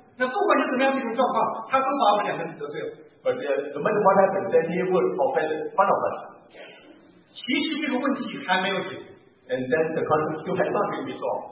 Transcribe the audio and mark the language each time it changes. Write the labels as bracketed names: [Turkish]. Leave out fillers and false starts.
[Chinese] 那不管是怎么样的一种状况，他都把我们两个人得罪了。 [English] But no matter what happens, then he would offend one of us. [Chinese] 其实这个问题还没有解决。 [English] And then the conflict still has not been resolved.